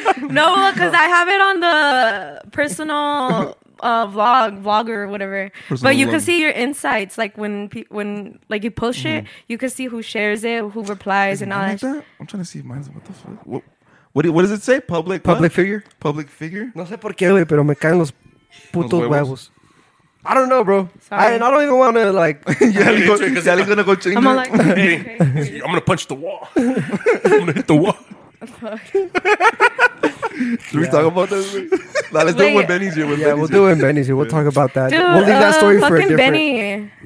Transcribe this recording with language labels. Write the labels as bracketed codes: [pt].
[en] No, because I have it on the personal vlogger or whatever. Personal but you vlog. Can see your insights, like when like you post it, you can see who shares it, who replies and all that. I'm trying to see if mine's what the fuck. What does it say? Public? Public what? Figure? Public figure? [es] No sé por qué, güey, pero me caen los putos huevos. [en] I don't know, bro. Sorry. I don't even want to, like... Yali's going to go change I'm like, hey, I'm going to punch the wall. I'm going to hit the wall. Should we talk about this? Nah, let's do it when Benny's here. We'll do it when Benny's here. We'll talk about that. Dude, we'll leave that story for a different...